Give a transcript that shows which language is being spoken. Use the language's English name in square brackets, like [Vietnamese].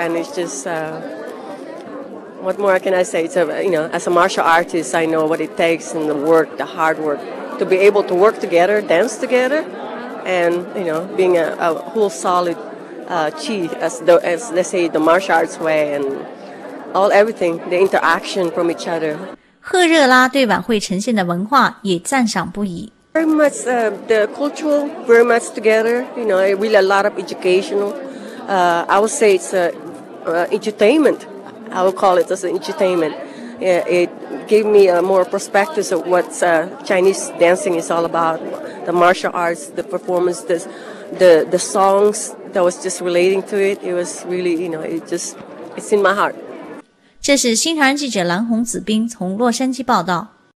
[English] And it's just, what more can I say? As a martial artist, I know what it takes and the work, the hard work, to be able to work together, dance together, and, you know, being a whole solid chi, as they say, the martial arts way and... All everything, the interaction from each other. [Chinese] 赫热拉对晚会呈现的文化也赞赏不已。 [English] Very much the cultural, very much together. You know, really a lot of educational. I would say it's entertainment. I would call it as an entertainment. Yeah, it gave me a more perspective of what Chinese dancing is all about. The martial arts, the performance, the songs that was just relating to it. It was really, you know, it's in my heart. [Chinese] 这是新唐人记者蓝红子冰从洛杉矶报道。